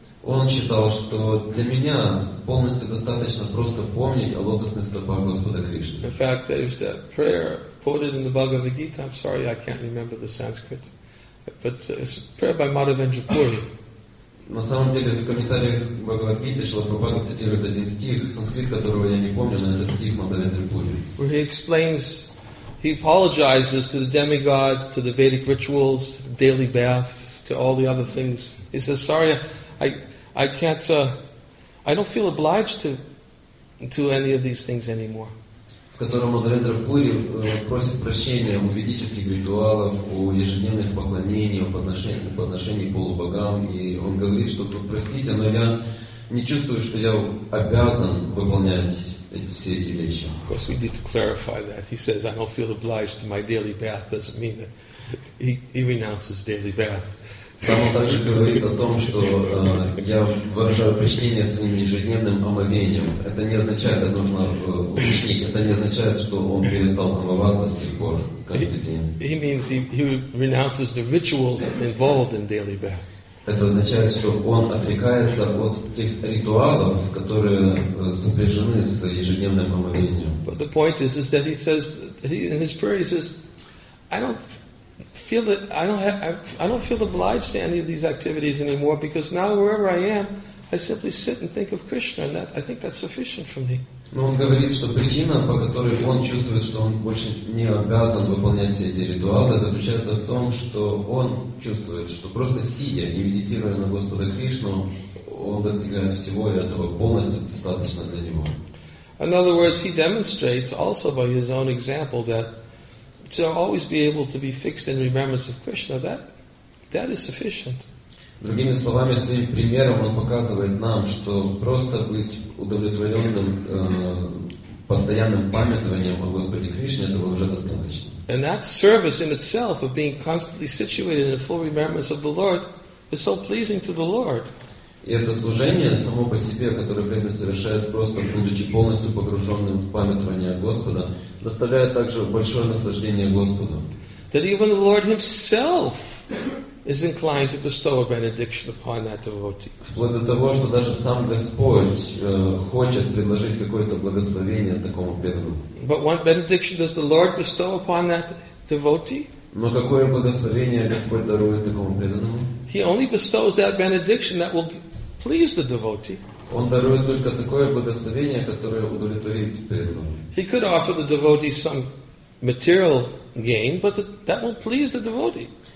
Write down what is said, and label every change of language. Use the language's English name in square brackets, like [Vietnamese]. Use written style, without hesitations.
[Russian] Он считал, что для меня полностью достаточно просто помнить о лотосных стопах Господа Кришны. [English] In fact, there's that prayer quoted in the Bhagavad Gita. I'm sorry, I can't remember the Sanskrit. But it's a prayer by Madhavendra Puri. [Russian] На самом деле, в комментариях в Бхагавад Гите Шрила Прабхупада цитирует один стих, санскрит которого я не помню, но этот стих Мадхавендры Пури. [English] Where he explains, he apologizes to the demigods, to the Vedic rituals, to the daily bath, to all the other things. He says, sorry, I don't feel obliged to any of these things anymore. [Russian] В котором Мадхавендра Пури просит прощения у ведических ритуалов, у ежедневных поклонений, по отношению к полубогам, и он говорит, что простите, но я не чувствую, что я обязан выполнять все эти вещи. [English] Of course, we need to clarify that. He says, I don't feel obliged to my daily bath. Doesn't mean that he renounces daily bath. [Russian] Там он также говорит о том, что я выражаю почтение своим ежедневным омовением. Это не означает, это нужно уточнить, это не означает, что он перестал омываться с тех пор каждый день. Это означает, что он отрекается от тех ритуалов, которые сопряжены с ежедневным омовением. [English] But the point is that he says, in his prayer, he says, I don't feel obliged to any of these activities anymore, because now wherever I am, I simply sit and think of Krishna, and I think that's sufficient for me. [Russian] Но он говорит, что причина, по которой он чувствует, что он больше не обязан выполнять все эти ритуалы, заключается в том, что он чувствует, что просто сидя и медитируя на Господа Кришну, он достигает всего этого полностью достаточно для него. [English] In other words, he demonстrates also by his own example that to always be able to be fixed in remembrance of Krishna, that is sufficient. [Russian] Другими словами, своим примером он показывает нам, что просто быть удовлетворенным постоянным памятованием о Господе Кришне, этого уже достаточно. [English] And that service in itself of being constantly situated in full remembrance of the Lord is so pleasing to the Lord. [Russian] И это служение само по себе, которое преданный совершает просто будучи полностью погруженным в памятование Господа, доставляет также большое наслаждение Господу. [English] That even the Lord Himself is inclined to bestow a benediction upon that devotee. [Russian] Вплоть до того, что даже сам Господь хочет предложить какое-то благословение такому преданному. [English] But what benediction does the Lord bestow upon that devotee? [Russian] Но какое благословение Господь дарует такому преданному? [English] He only bestows that benediction that will please the devotee. [Russian] Он дарует только такое благословение, которое удовлетворит преданного. [English] He could offer the devotee some material gain, but that will please the devotee.